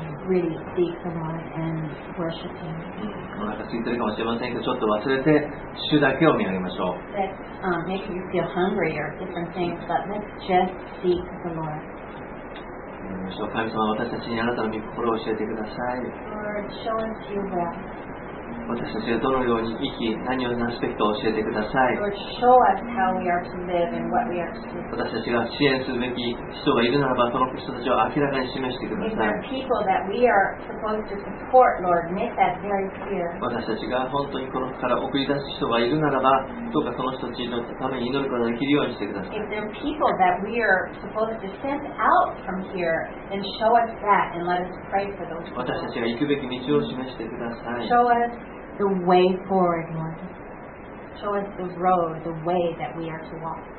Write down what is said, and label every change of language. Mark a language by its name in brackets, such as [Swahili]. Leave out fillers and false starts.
[English] Really seek the Lord and worship Him. [Japanese] お腹空いてるかもしれませんけど、ちょっと忘れて主だけを見上げましょう。 [English] Let's make you feel hungry or different things, but let's just seek the Lord. [Japanese] 神様、私たちにあなたの御心を教えてください。 [English] Lord, show us your will. [Japanese] 私たちがどのように生き、何をなすべきか教えてください。 [English] Lord, show us how we are to live and what we are to do. [Japanese] 私たちが支援すべき人がいるならば、その人たちを明らかに示してください。 [English] If there are people that we are supposed to support, Lord, make that very clear. [Japanese] 私たちが本当にこの人から送り出す人がいるならば、どうかその人たちのために祈ることができるようにしてください。 [English] If there are people that we are supposed to send out from here, then show us that and let us pray for those people. [Japanese] 私たちが行くべき道を示してください。 [English] Show us the way forward, Lord. Show us the road, the way that we are to walk.